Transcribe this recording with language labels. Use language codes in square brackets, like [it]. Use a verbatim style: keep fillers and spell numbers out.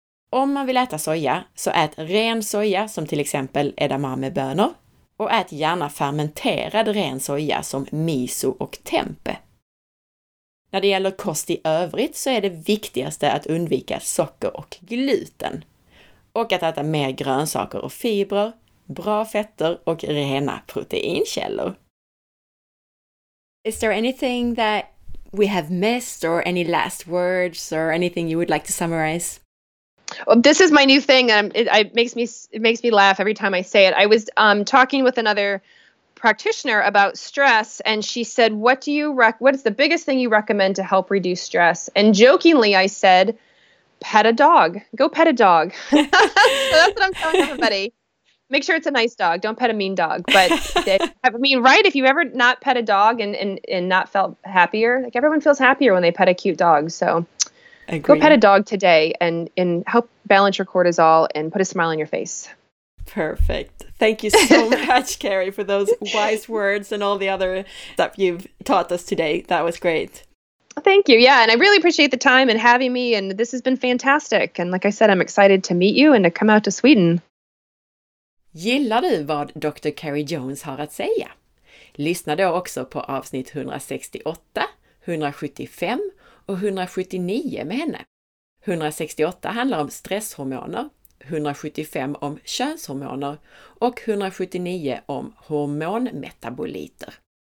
[sv] Om man vill äta soja så ät ren soja som till exempel edamamebönor och ät gärna fermenterad ren soja som miso och tempe. När det gäller kost i övrigt så är det viktigaste att undvika socker och gluten och att äta mer grönsaker och fibrer, bra fetter och rena proteinkällor. [en] Is there anything that we have missed or any last words or anything you would like to summarize? Well, this is my new thing. Um, it, it makes me it makes me laugh every time I say it. I was um, talking with another practitioner about stress, and she said, "What do you rec- What is the biggest thing you recommend to help reduce stress?" And jokingly, I said, "Pet a dog. Go pet a dog." So that's what I'm telling everybody. Make sure it's a nice dog. Don't pet a mean dog. But they, I mean, right? If you've ever not pet a dog and, and, and not felt happier, like everyone feels happier when they pet a cute dog. So Agreed. Go pet a dog today and, and help balance your cortisol and put a smile on your face. Perfect. Thank you so much, Carrie, for those wise words and all the other stuff you've taught us today. That was great. Thank you. Yeah. And I really appreciate the time and having me. And this has been fantastic. And like I said, I'm excited to meet you and to come out to Sweden. [sv] Gillar du vad doktor Carrie Jones har att säga? Lyssna då också på avsnitt hundrasextioåtta, hundrasjuttiofem och hundrasjuttionio med henne. hundrasextioåtta handlar om stresshormoner, hundrasjuttiofem om könshormoner och hundrasjuttionio om hormonmetaboliter.